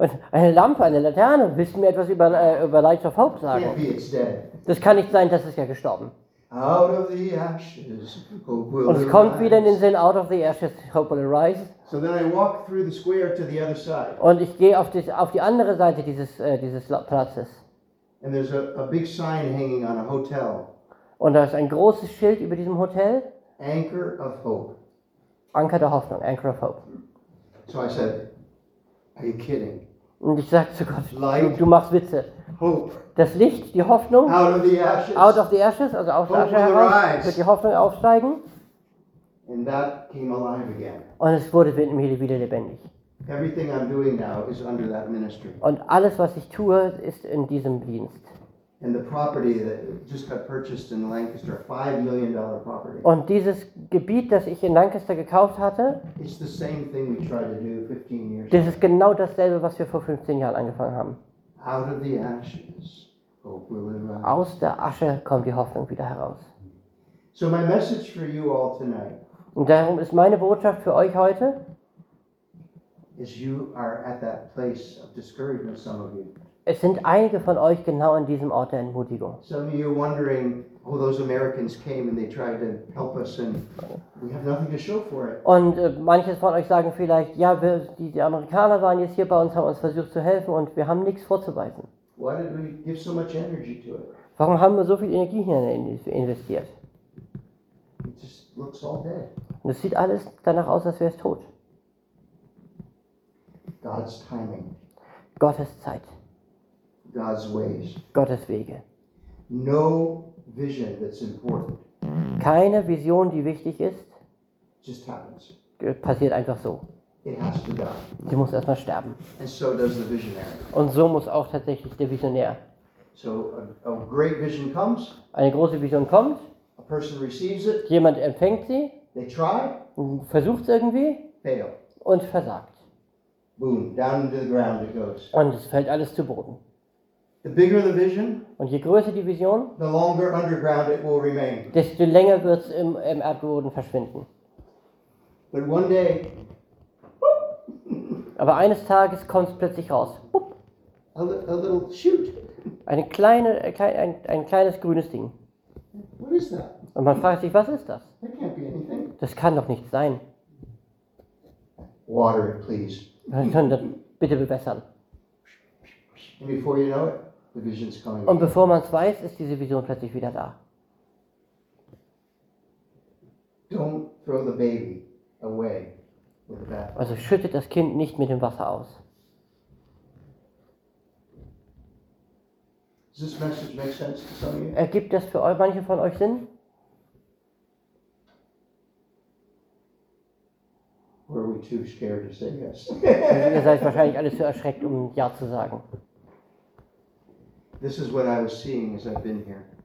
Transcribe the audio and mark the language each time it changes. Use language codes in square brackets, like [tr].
[de] Eine Lampe, eine Laterne. Willst du mir etwas über Light of Hope sagen? Das kann nicht sein, das ist ja gestorben. [en] Out of the ashes, hope will [de] Und es [en] arise. [de] Kommt wieder in den Sinn, [en] out of the ashes, hope will arise. So then I walk through the square to the other side. [de] Und ich gehe auf die andere Seite dieses Platzes. [en] And there's a big sign hanging on a hotel. [de] Und da ist ein großes Schild über diesem Hotel. [en] Anchor of Hope. [de] Anker der Hoffnung, Anchor of Hope. [en] So I said, are you kidding? [de] Und ich sage zu Gott, du machst Witze. [en] Hope. [de] Das Licht, die Hoffnung. [en] Out of the ashes. Out of the ashes, [de] also aus der Asche heraus, wird die Hoffnung aufsteigen. [en] And that came alive again. [de] Und es wurde wieder lebendig. [en] Everything I'm doing now is under that ministry. [de] Und alles, was ich tue, ist in diesem Dienst. [en] And the property that just got purchased in Lancaster, $5 million property. [de] Und dieses Gebiet, das ich in Lancaster gekauft hatte, [en] it's the same thing we tried to do 15 years ago. [de] Das ist genau dasselbe, was wir vor 15 Jahren angefangen haben. [en] Out of the ashes, hope will arise. [de] Aus der Asche kommt die Hoffnung wieder heraus. [en] So my message for you all tonight. [de] Und darum ist meine Botschaft für euch heute. [en] Is you are at that place of discouragement, some of you. [de] Es sind einige von euch genau an diesem Ort der Entmutigung. [en] Some of you are wondering, oh, those Americans came and they tried to help us and we have nothing to show for it. [de] Und manches von euch sagen vielleicht, ja, die Amerikaner waren jetzt hier bei uns, haben uns versucht zu helfen und wir haben nichts vorzuweisen. [en] Why did we give so much energy to it? [de] Warum haben wir so viel Energie hier investiert? [en] It just looks all dead. [de] Und es sieht alles danach aus, als wäre es tot. [en] God's timing. [de] Gottes Zeit. [en] God's ways. [de] Gottes Wege. [en] No vision that's important. [de] Keine Vision, die wichtig ist. [en] Just happens. [de] Passiert einfach so. [en] It has to die. [de] Sie muss erstmal sterben. [en] And so does the visionary. [de] Und so muss auch tatsächlich der Visionär. [en] So a great vision comes. [de] Eine große Vision kommt. [en] A person receives it. [de] Jemand empfängt sie. [en] They try. [de] Versucht es irgendwie. [en] Fail. [de] Und versagt. [en] Boom, down into the ground it goes. [de] Und es fällt alles zu Boden. [en] The bigger the vision, [de] und je größer die Vision, [en] the longer underground it will remain. [de] Desto länger wird es im Erdboden verschwinden. [en] But one day, [de] aber eines Tages kommt es plötzlich raus. [en] A little shoot. [de] Ein kleines grünes Ding. [en] What is that? [de] Und man fragt sich, was ist das? [en] That can't be anything. [de] Das kann doch nicht sein. [en] Water it, please. [de] Bitte bewässern. [en] And before you know it, the vision's coming. [de] Und bevor man es weiß, ist diese Vision plötzlich wieder da. [en] Don't throw the baby away with that. [de] Also schüttet das Kind nicht mit dem Wasser aus. [en] Does this message make sense to some of you? [de] Ergibt das für manche von euch Sinn? [en] Were we too scared to say yes? [de] Ihr seid wahrscheinlich alle zu erschreckt, um ja zu sagen. [en] This is what I was seeing as I've been here.